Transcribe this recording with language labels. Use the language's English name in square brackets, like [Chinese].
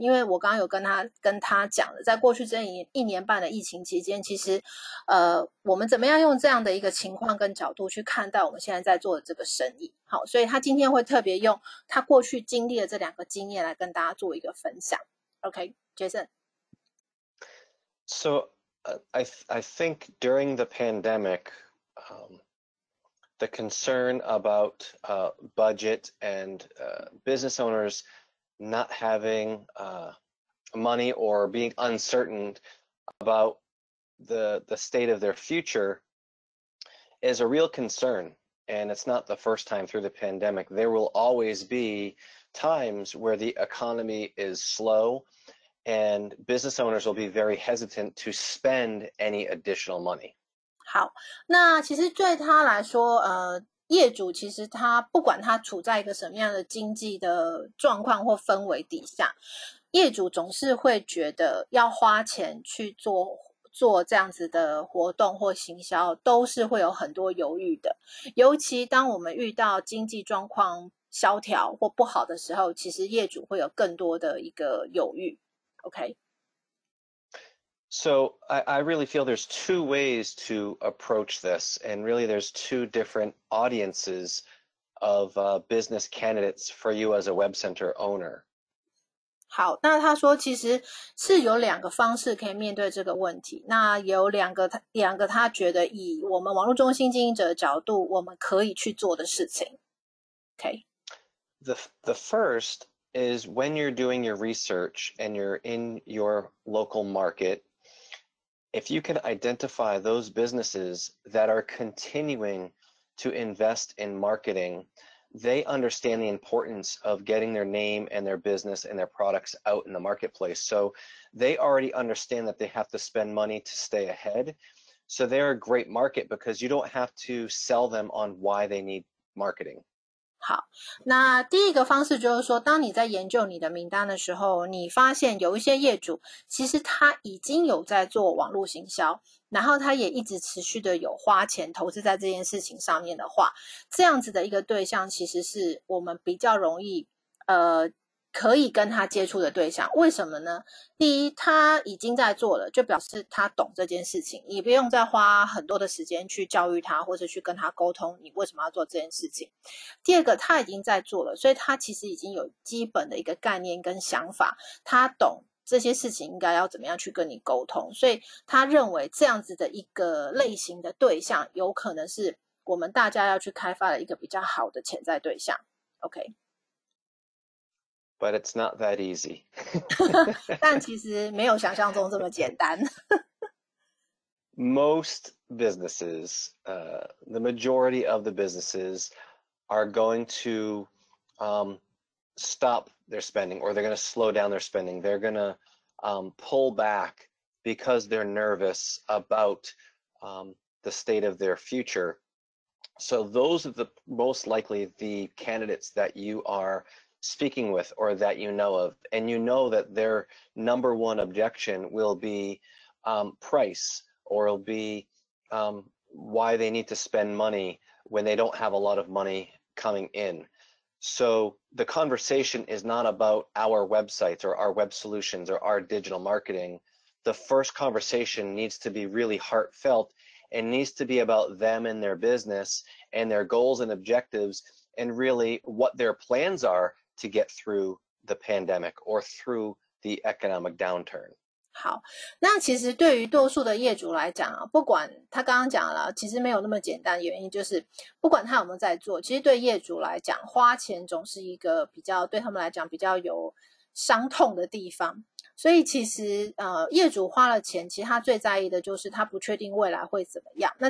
[Chinese] 因为我刚刚有跟他讲了，在过去这一年半的疫情期间，其实我们怎么样用这样的一个情况跟角度去看待我们现在在做的这个生意。好，所以他今天会特别用他过去经历的这两个经验来跟大家做一个分享。 [English] OK, Jason. So I think during the pandemic, the concern about budget and business owners not having money or being uncertain about the state of their future is a real concern. And it's not the first time through the pandemic. There will always be times where the economy is slow and business owners will be very hesitant to spend any additional money. [Chinese] 好，那其实对他来说，业主其实他不管他处在一个什么样的经济的状况或氛围底下，业主总是会觉得要花钱去做这样子的活动或行销，都是会有很多犹豫的。尤其当我们遇到经济状况萧条或不好的时候，其实业主会有更多的一个犹豫。 [English] OK。 So I really feel there's two ways to approach this, and really there's two different audiences of business candidates for you as a web center owner. [Chinese] 好，那他说其实是有两个方式可以面对这个问题，那有两个他觉得以我们网络中心经营者的角度我们可以去做的事情。 [English] OK. The first is when you're doing your research and you're in your local market,If you can identify those businesses that are continuing to invest in marketing, they understand the importance of getting their name and their business and their products out in the marketplace. So they already understand that they have to spend money to stay ahead. So they're a great market because you don't have to sell them on why they need marketing. [Chinese] 好，那第一个方式就是说，当你在研究你的名单的时候，你发现有一些业主其实他已经有在做网络行销，然后他也一直持续的有花钱投资在这件事情上面的话，这样子的一个对象其实是我们比较容易可以跟他接触的对象。为什么呢？第一，他已经在做了，就表示他懂这件事情，你不用再花很多的时间去教育他或者去跟他沟通你为什么要做这件事情。第二个，他已经在做了，所以他其实已经有基本的一个概念跟想法，他懂这些事情应该要怎么样去跟你沟通，所以他认为这样子的一个类型的对象有可能是我们大家要去开发的一个比较好的潜在对象。 [English] OK。 But it's not that easy. [Chinese] 但其实没有想象中这么简单。 [English] Most businesses, the majority of the businesses are going to stop their spending, or they're going to slow down their spending. They're going to pull back because they're nervous about the state of their future. So those are the most likely the candidates that you are... speaking with or that you know of, and you know that their number one objection will be price, or it'll be why they need to spend money when they don't have a lot of money coming in. So the conversation is not about our websites or our web solutions or our digital marketing. The first conversation needs to be really heartfelt and needs to be about them and their business and their goals and objectives and really what their plans are. To get through the pandemic or through the economic downturn. [Chinese] 好，那其实对于多数的业主来讲啊，不管他刚刚讲了，其实没有那么简单。原因就是，不管他有没有在做，其实对业主来讲，花钱总是一个比较对他们来讲比较有伤痛的地方。所以其实业主花了钱，其实他最在意的就是他不确定未来会怎么样。